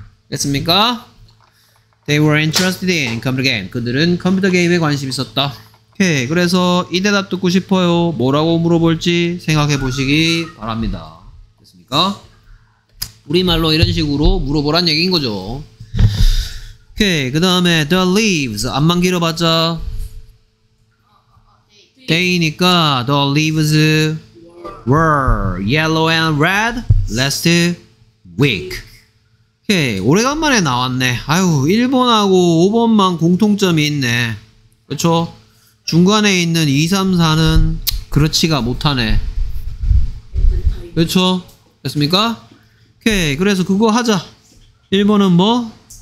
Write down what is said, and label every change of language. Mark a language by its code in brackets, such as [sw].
[ko] 됐습니까? [en] They were interested in computer game. [ko] 그들은 컴퓨터 게임에 관심이 있었다. 오케이. 그래서 이 대답 듣고 싶어요. 뭐라고 물어볼지 생각해 보시기 바랍니다. 됐습니까? 우리말로 이런 식으로 물어보란 얘기인 거죠. 오케이. 그 다음에 [en] the leaves. [ko] 앞만 길어봤자 [en] day니까 the leaves were yellow and red last week. [ko] 오케이. 오래간만에 나왔네. 아유, 1번하고 5번만 공통점이 있네. 그쵸? 중간에 있는 2, 3, 4는 그렇지가 못하네. 그쵸? 됐습니까? 오케이. 그래서 그거 하자. 1번은 뭐?